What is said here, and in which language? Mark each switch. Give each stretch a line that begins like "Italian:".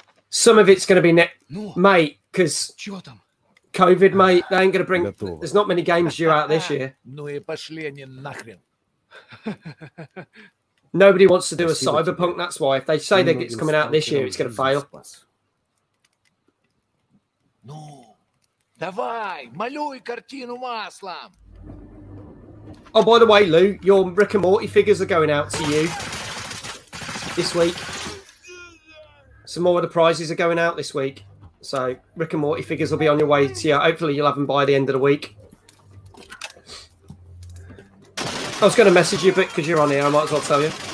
English: Some of it's going to be mate, because COVID, mate, they ain't going to bring... There's not many games due out this year. Nobody wants to do a cyberpunk, that's why. If they say that it's coming out this year, it's going to fail.
Russian: Ну, давай, малюй картину маслом.
English: Oh, by the way, Lou, your Rick and Morty figures are going out to you this week. Some more of the prizes are going out this week. So Rick and Morty figures will be on your way to you. Hopefully you'll have them by the end of the week. I was going to message you, but because you're on here, I might as well tell you.